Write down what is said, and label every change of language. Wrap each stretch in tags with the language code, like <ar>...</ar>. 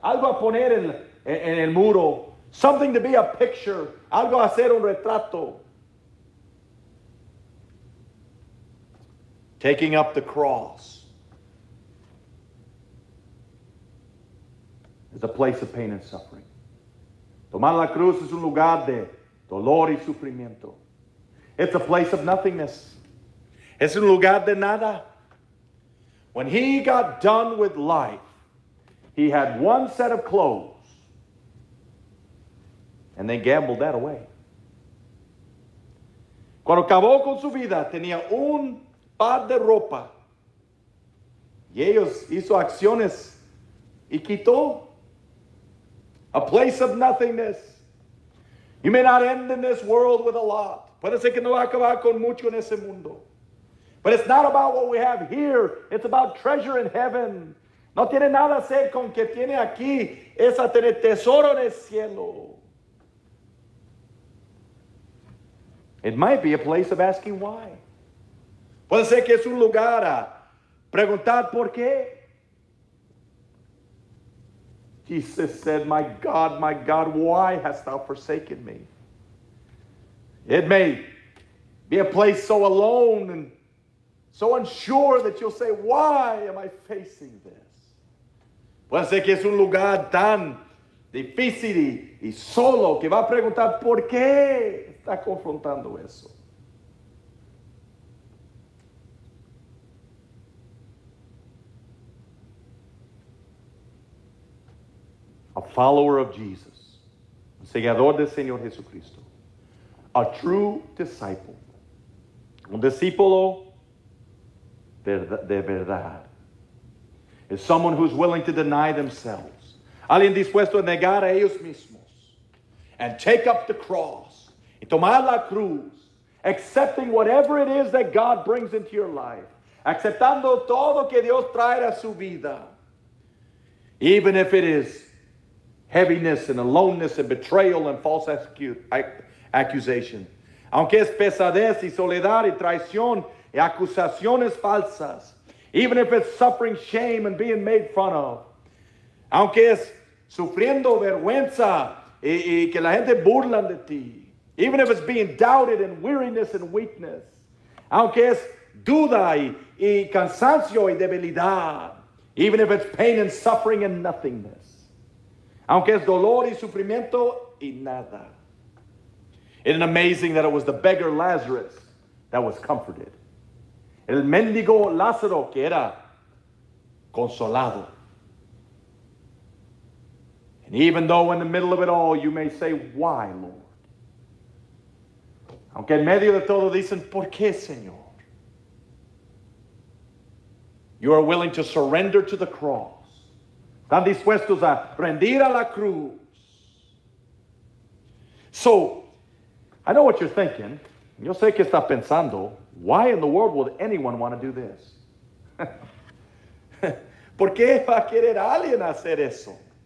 <es>Algo a poner en el muro.</es> <en>Something to be a picture.</en> <es>Algo a hacer un retrato.</es> <en>Taking up the cross is a place of pain and suffering.</en> <es>Tomar la cruz es un lugar de dolor y sufrimiento.</es> <en>It's a place of nothingness.</en> <es>Es un lugar de nada.</es> <en>When he got done with life, he had one set of clothes, and they gambled that away.</en> <es>Cuando acabó con su vida, tenía un par de ropa, y ellos hizo acciones y quitó.</es> <en>A place of nothingness. You may not end in this world with a lot. Puede ser que no va a acabar con mucho en ese mundo. But it's not about what we have here. It's about treasure in heaven.</en> <es>No tiene nada que ver con que tiene aquí. Es a tener tesoro en el cielo.</es> <en>It might be a place of asking why.</en> <es>Puede ser que es un lugar a preguntar por qué.</es> <en>Jesus said, my God, why hast thou forsaken me? It may be a place so alone and so unsure that you'll say, why am I facing this?</en> <es>Puede ser que es un lugar tan difícil y solo que va a preguntar por qué está confrontando eso.</es> <en>A follower of Jesus,</en> <es>un seguidor del Señor Jesucristo,</es> <en>a true disciple,</en> <es>un discípulo de verdad,</es> <en>is someone who's willing to deny themselves.</en> <es>Alguien dispuesto a negar a ellos mismos.</es> <en>And take up the cross.</en> <es>Y tomar la cruz.</es> <en>Accepting whatever it is that God brings into your life.</en> <es>Aceptando todo que Dios trae a su vida.</es> <en>Even if it is heaviness and aloneness and betrayal and false accusation.</en> <es>Aunque es pesadez y soledad y traición. Y acusaciones falsas.</es> <en>Even if it's suffering shame and being made fun of.</en> <es>Aunque es sufriendo vergüenza y que la gente burlan de ti.</es> <en>Even if it's being doubted and weariness and weakness.</en> <es>Aunque es duda y cansancio y debilidad.</es> <en>Even if it's pain and suffering and nothingness.</en> <es>Aunque es dolor y sufrimiento y nada.</es> <en>Isn't it amazing that it was the beggar Lazarus that was comforted?</en> <es>El mendigo Lázaro que era consolado.</es> <en>And even though in the middle of it all, you may say, why, Lord?</en> <es>Aunque en medio de todo dicen, ¿por qué, Señor?</es> <en>You are willing to surrender to the cross.</en> <es>Están dispuestos a rendir a la cruz.</es> <en>So, I know what you're thinking.</en> <es>Yo sé que estás pensando.</es> <en>Why in the world would anyone want to do this?</en> <es>¿Por qué va a querer alguien hacer eso?</es>